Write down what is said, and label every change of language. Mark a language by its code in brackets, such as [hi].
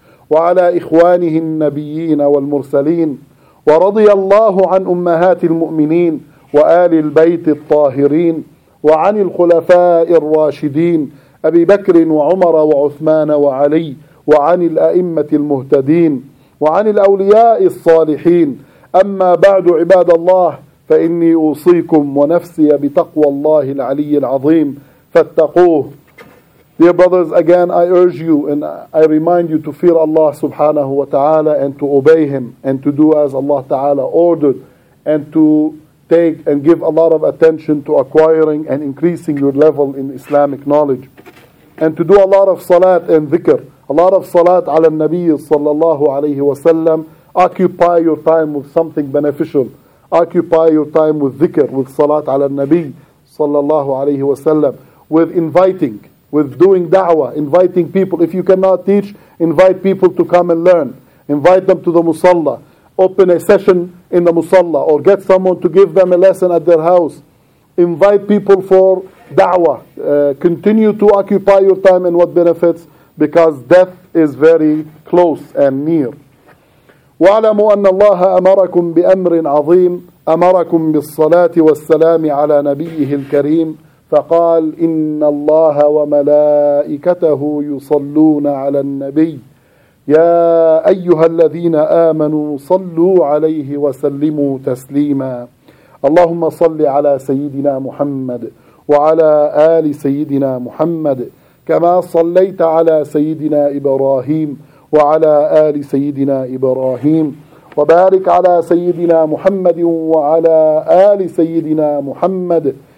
[ar] وعلى إخوانه النبيين والمرسلين، ورضي الله عن أمهات المؤمنين وآل البيت الطاهرين وعن الخلفاء الراشدين أبي بكر وعمر وعثمان وعلي، وعن الأئمة المهتدين وعن الأولياء الصالحين. أما بعد عباد الله، فإني أوصيكم ونفسي بتقوى الله العلي العظيم، فاتقوه [en] Dear brothers, again I urge you and I remind you to fear Allah subhanahu wa ta'ala and to obey Him and to do as Allah ta'ala ordered and to take and give a lot of attention to acquiring and increasing your level in Islamic knowledge. And to do a lot of salat and dhikr. A lot of salat ala al-Nabi sallallahu alayhi wa sallam. Occupy your time with something beneficial. Occupy your time with dhikr, with salat ala al-Nabi sallallahu alayhi wa sallam. With inviting, with doing da'wah, inviting people. If you cannot teach, invite people to come and learn. Invite them to the musalla. Open a session in the musalla or get someone to give them a lesson at their house. Invite people for da'wah. Continue to occupy your time and what benefits because death is very close and near. [ar] وَعْلَمُوا أَنَّ اللَّهَ أَمَرَكُمْ بِأَمْرٍ عَظِيمٍ أَمَرَكُمْ بِالصَّلَاةِ وَالسَّلَامِ عَلَى نَبِيِّهِ الْكَرِيمِ فَقَالْ إِنَّ اللَّهَ وَمَلَائِكَتَهُ يُصَلُّونَ عَلَى النَّبِيِّ يا أيها الذين آمنوا صلوا عليه وسلموا تسليما اللهم صل على سيدنا محمد وعلى آل سيدنا محمد كما صليت على سيدنا إبراهيم وعلى آل سيدنا إبراهيم وبارك على سيدنا محمد وعلى آل سيدنا محمد